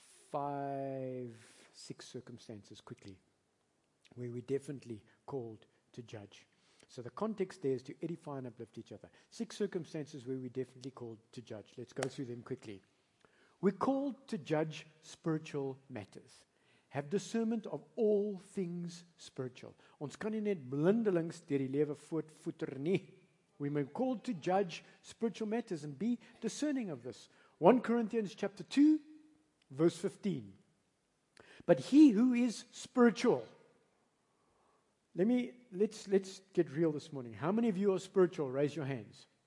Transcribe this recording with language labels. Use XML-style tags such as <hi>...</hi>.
<en>5, 6 circumstances quickly where we're definitely called to judge. So the context there is to edify and uplift each other. 6 circumstances where we're definitely called to judge. Let's go through them quickly. We're called to judge spiritual matters. Have discernment of all things spiritual.</en> <af>Ons kan nie net blindelings deur die lewe voetvoeter nie.</af> <en>We may be called to judge spiritual matters and be discerning of this. 1 Corinthians chapter 2. Verse 15. But he who is spiritual. Let's get real this morning. How many of you are spiritual? Raise your hands.</en>